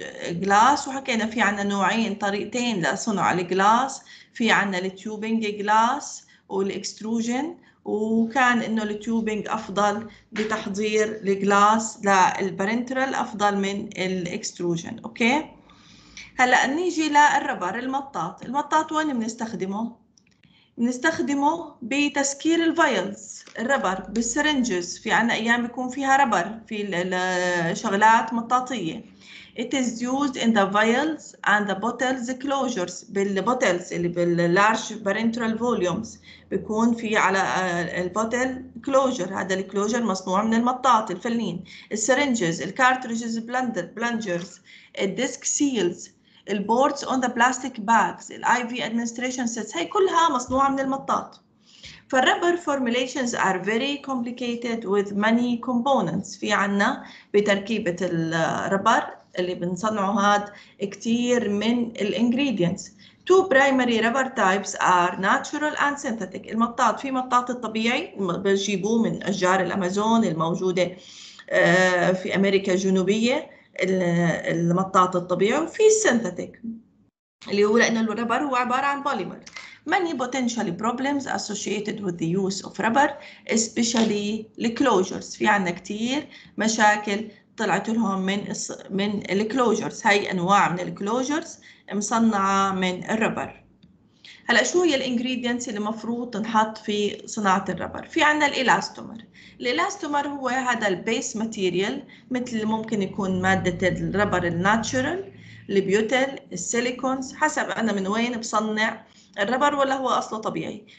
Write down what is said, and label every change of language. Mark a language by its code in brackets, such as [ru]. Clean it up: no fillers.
[ar] جلاس، وحكينا في عندنا نوعين طريقتين لصنع الجلاس، في عندنا التيوبنج جلاس والاكستروجن، وكان انه التيوبنج افضل بتحضير الجلاس للبارنترال افضل من الاكستروجن. اوكي هلا نيجي للربر المطاط. المطاط وين بنستخدمه؟ بنستخدمه بتسكير الفايلز، الربر بالسرنجز، في عندنا ايام بيكون فيها ربر في الشغلات مطاطيه. [en] It is used in the vials and the bottles closures. [ar] بالبوتلز اللي باللارج بارنترال فوليومز بيكون في على البوتل كلوجر، هذا الكلوجر مصنوع من المطاط الفلين. السرنجز، الكارترجز، بلانجرز، الديسك سيلز، البوردز اون ذا بلاستيك باجز، الاي في ادمنستريشن سيتس، هي كلها مصنوعه من المطاط. [en] فالربر formulations are very complicated with many components. [ar] في عنا بتركيبه الربر اللي بنصنعه هاد كتير من الـ ingredients. [en] Two primary rubber types are natural and synthetic. [ar] المطاط، في مطاط الطبيعي بجيبوه من أشجار الأمازون الموجودة في أمريكا الجنوبية، المطاط الطبيعي، وفي synthetic اللي هو لأنه الربر هو عبارة عن polymer. [en] Many potential problems associated with the use of rubber, especially the closures. [ar] في عنا كتير مشاكل طلعت لهم من الكلوجرز، هاي انواع من الكلوجرز مصنعه من الربر. هلا شو هي الانجريدينتس اللي المفروض تنحط في صناعه الربر؟ في عندنا الالاستومر. الالاستومر هو هذا البيس ماتيريال، مثل ممكن يكون ماده الربر الناتشرال، البيوتيل، السيليكونز، حسب انا من وين بصنع الربر ولا هو اصله طبيعي.